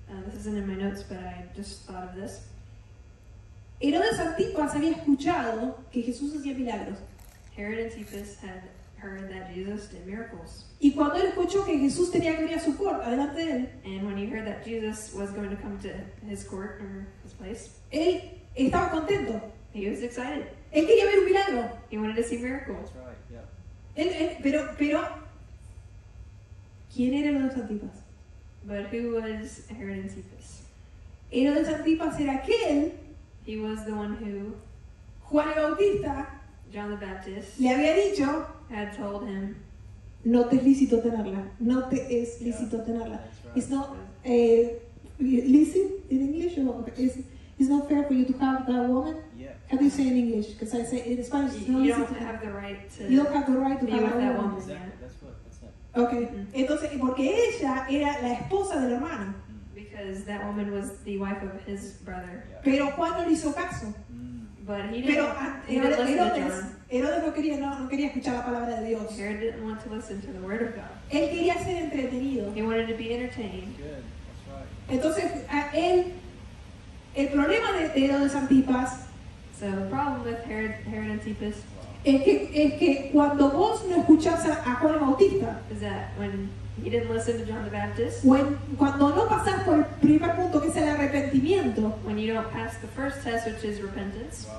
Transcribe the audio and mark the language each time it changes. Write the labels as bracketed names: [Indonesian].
[English] This isn't in my notes, but I just thought of this. [Spanish] Herodes Antipas había escuchado que Jesús hacía milagros. [English] Herod Antipas had heard that Jesus did miracles. [Spanish] Y cuando él escuchó que Jesús tenía que venir a su court, adelante de él. [English] And when he heard that Jesus was going to come to his court or his place. [Spanish] Él estaba contento. [English] He was excited. [Spanish] Él quería ver un milagro. [English] He wanted to see miracles. That's right, yeah. [Spanish] Pero ¿quién era Herodes Antipas? [English] But who was Herod Antipas? [Spanish] Herodes Antipas era aquel. [English] He was the one who. [Spanish] Juan el Bautista. [English] John the Baptist. [Spanish] Le había dicho. [English] Had told him. [Spanish] No te es lícito tenerla. No te es lícito tenerla. [English] Right. It's not lícito in English. Or it's not fair for you to have that woman. Yeah. How do you say in English? Because I say in Spanish. You don't have the right to be with that woman. Exactly. Yeah. Okay. Mm-hmm. [Spanish] Entonces, porque ella era la esposa del hermano. [English] Because that woman was the wife of his brother. Yeah. [Spanish] Pero Juan no le hizo caso. [English] But he didn't. [Spanish] Pero Herodes no quería escuchar la palabra de Dios. [English] Herod didn't want to listen to the word of God. [Spanish] Él quería ser entretenido. [English] He wanted to be entertained. Good. That's right. [Spanish] Entonces, el problema de Herodes Antipas. [English] So the problem with Herod Antipas. [Spanish] Es que cuando vos no escuchás a Juan el Bautista, [English] is that when he didn't listen to John the Baptist, [Spanish] cuando no pasás por el primer punto que es el arrepentimiento, [English] when you don't pass the first test, which is repentance,